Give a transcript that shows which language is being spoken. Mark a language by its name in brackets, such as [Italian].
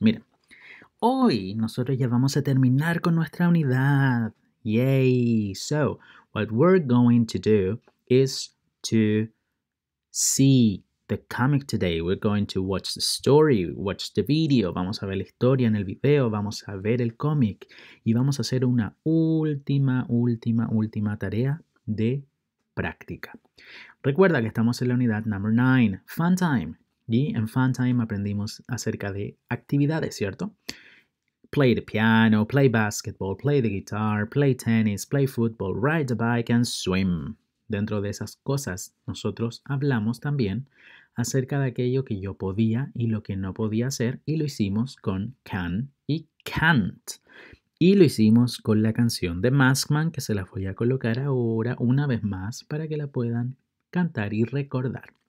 [Spanish] Miren, hoy nosotros ya vamos a terminar con nuestra unidad. Yay! [English] So, what we're going to do is to see the comic today. We're going to watch the story, watch the video. [Spanish] Vamos a ver la historia en el video, vamos a ver el cómic y vamos a hacer una última tarea de práctica. Recuerda que estamos en la unidad number 9, Fun Time. Y en Fun Time aprendimos acerca de actividades, ¿cierto? [English] Play the piano, play basketball, play the guitar, play tennis, play football, ride the bike and swim. [Spanish] Dentro de esas cosas, nosotros hablamos también acerca de aquello que yo podía y lo que no podía hacer, y lo hicimos con can y can't. Y lo hicimos con la canción de Maskman, que se la voy a colocar ahora una vez más para que la puedan cantar y recordar.